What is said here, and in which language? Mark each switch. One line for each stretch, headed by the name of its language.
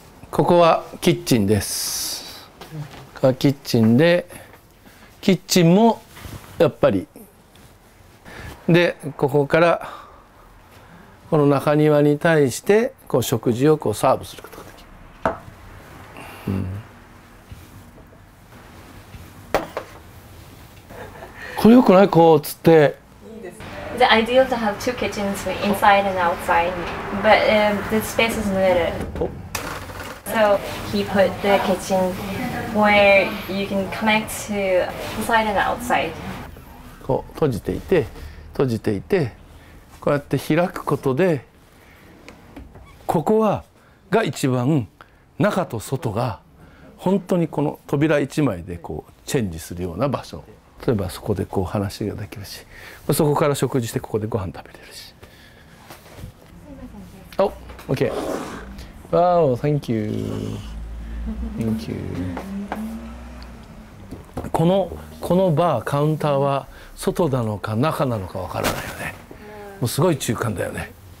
Japanese: ここはキッチンです。ここはキッチンで、キッチンもやっぱりで、ここからこの中庭に対してこう食事をこうサーブすることができる、これよくない、こう釣って。いいですね。
English: the ideal to have two kitchens inside and outside, but the space is limited. So he put the kitchen where you can connect to inside and outside.
Japanese: こう閉じていて、閉じていて、こうやって開くことで、ここはが一番中と外が本当にこの扉一枚でこうチェンジするような場所。例えばそこでこう話ができるし、そこから食事してここでご飯食べれるし。
English: お、OK。わお、Thank you。 Thank you。
Japanese: このバー、カウンターは外なのか中なのかわからないよね。もうすごい中間だよね。